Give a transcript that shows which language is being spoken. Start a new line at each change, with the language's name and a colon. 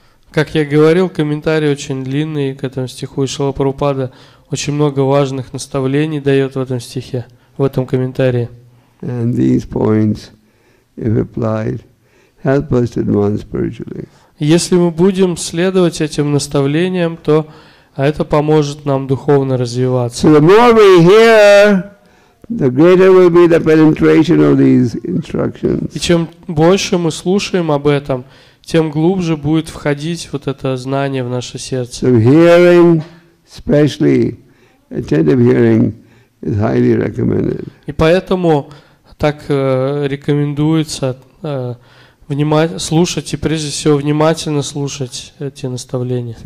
Russian: Как я говорил, комментарий очень длинный к этому стиху, и Шрила Прабхупада очень много важных наставлений дает в этом стихе, в этом комментарии.
English: And these points, if applied, help us to advance spiritually.
Russian: Если мы будем следовать этим наставлениям, то это поможет нам духовно развиваться.
English: So the more we hear, the greater will be the penetration of these instructions.
Russian: И чем больше мы слушаем об этом, тем глубже будет входить вот это знание в наше сердце.
English: So hearing, especially attentive hearing, is highly recommended.
Russian: И поэтому так рекомендуется внимать, слушать и прежде всего внимательно слушать эти наставления.